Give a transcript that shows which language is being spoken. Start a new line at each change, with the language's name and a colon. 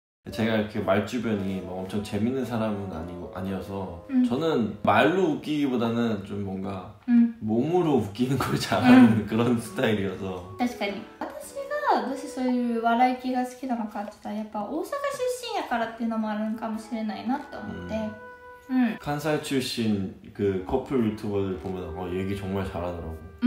Korean: 제가 이렇게 말 주변이 뭐 엄청 재밌는 사람은 아니어서 저는 말로 웃기기보다는 좀 뭔가 몸으로 웃기는 걸 잘하는 그런 스타일이어서.
Japanese: 確かに. 私がどうしてそういう笑い気が好きなのかって言ったら、やっぱ大阪出身やからっていうのもあるかもしれないなと思って。
Korean: 関西 출신 그 커플 유튜버들 보면 얘기 정말 잘하더라고.